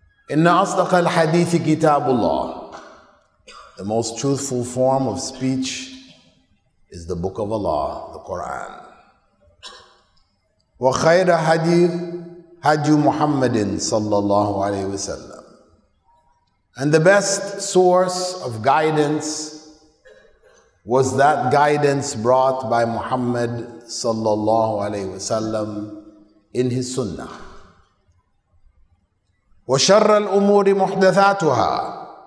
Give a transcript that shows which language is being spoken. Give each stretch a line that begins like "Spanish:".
Arabic: إن أصدق الحديث كتاب الله.
English: The most truthful form of speech is the book of Allah, the Quran.
Arabic: وخير حديث هدي محمد صلى الله عليه وسلم.
English: And the best source of guidance was that guidance brought by Muhammad صلى الله عليه وسلم in his sunnah.
Arabic: وشر الأمور محدثاتها.